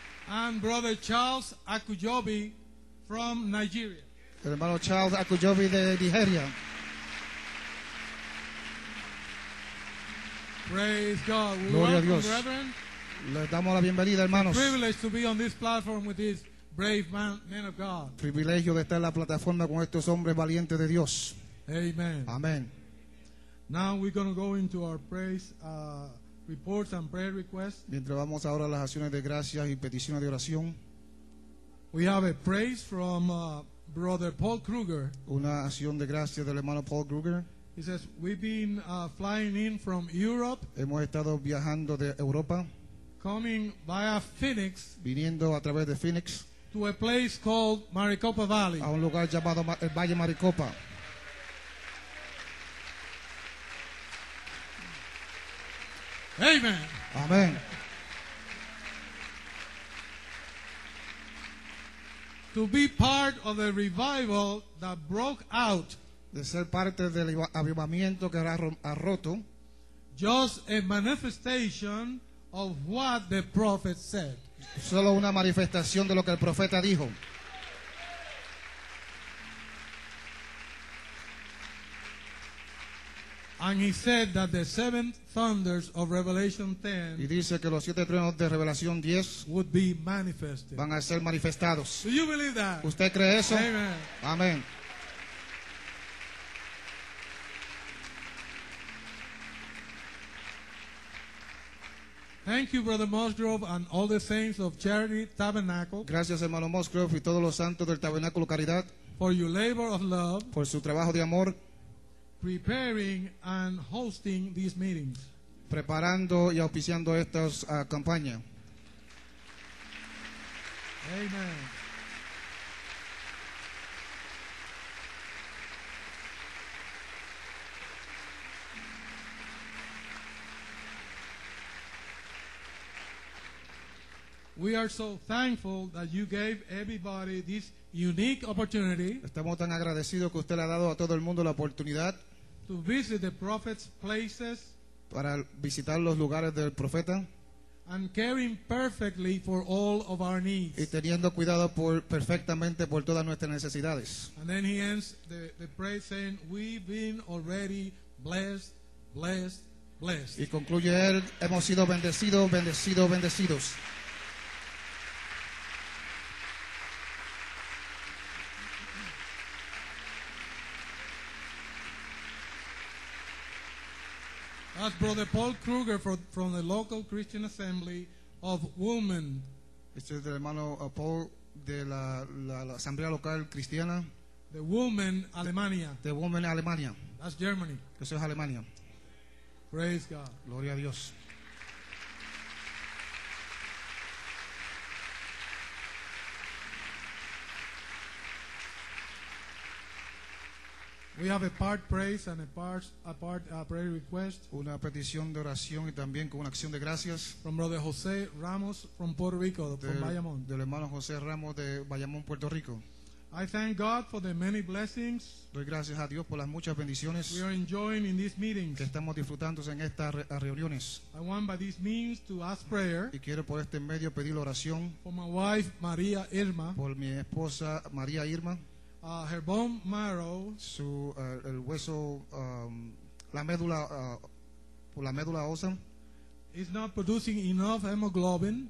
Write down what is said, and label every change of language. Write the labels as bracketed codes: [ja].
[en] And Brother Charles Akujobi from Nigeria. [es] Hermano Charles Akujobi de Nigeria. [en] Praise God. [es] Gloria a Dios. [en] Brethren. [es] Les damos la bienvenida, hermanos. [en] Privilege to be on this platform with these brave man, men of God. [es] Privilegio de estar en la plataforma con estos hombres valientes de Dios. Amen. Amen. [en] Now we're going to go into our praise reports and prayer requests. [es] Mientras vamos ahora a las acciones de gracias y peticiones de oración. [en] We have a praise from Brother Paul Kruger. [es] Una acción de gracias del hermano Paul Kruger. [en] He says, we've been flying in from Europe. [es] Hemos estado viajando de Europa. [en] Coming via Phoenix. [es] Viniendo a través de Phoenix. [en] To a place called Maricopa Valley. [es] A un lugar llamado el Valle Maricopa. Amen. Amen. [en] To be part of the revival that broke out. [es] De ser parte del avivamiento que ha roto. [en] Just a manifestation of what the prophet said. [es] Solo una manifestación de lo que el profeta dijo. [en] And he said that the seven thunders of Revelation 10, [es] y dice que los siete truenos de Revelación 10 [en] would be manifested. [es] Van a ser manifestados. [en] Do you believe that? [es] ¿Usted cree eso? Amen. Amen. [en] Thank you, Brother Musgrove, and all the saints of Charity Tabernacle. [es] Gracias, hermano Musgrove, y todos los santos del Tabernáculo Caridad. [en] For your labor of love. [es] Por su trabajo de amor. [en] Preparing and hosting these meetings. [es] Preparando y auspiciando estas campañas. Amen. [en] We are so thankful that you gave everybody this unique opportunity. [es] Estamos tan agradecidos que usted le ha dado a todo el mundo la oportunidad. [en] To visit the prophet's places. [es] Para visitar los lugares del profeta. [en] And caring perfectly for all of our needs. [es] Y teniendo cuidado por perfectamente por todas nuestras necesidades. [en] And then he ends the praise saying, "We've been already blessed, blessed, blessed." [es] Y concluye él, hemos sido bendecidos, bendecidos, bendecidos. [en] That's Brother Paul Kruger from the local Christian Assembly of Women. [es] Este es el hermano Paul de la Asamblea Local Cristiana. The Women Alemania. The Women Alemania. [en] That's Germany. [es] Eso es Alemania. [en] Praise God. [es] Gloria a Dios. [en] We have a part praise and a part prayer request. [es] Una petición de oración y también con una acción de gracias. [en] From Brother Jose Ramos from Puerto Rico, from Bayamón. [es] Del hermano José Ramos de Bayamón, Puerto Rico. [en] I thank God for the many blessings. [es] Doy gracias a Dios por las muchas bendiciones. [en] We are enjoying in these meetings. [es] Que estamos disfrutando en estas reuniones. [en] I want by these means to ask prayer. [es] Y quiero por este medio pedir la oración. [en] For my wife María Irma. [es] Por mi esposa María Irma. [en] Her bone marrow, [es] su el hueso, la médula, por la médula ósea, [en] is not producing enough hemoglobin.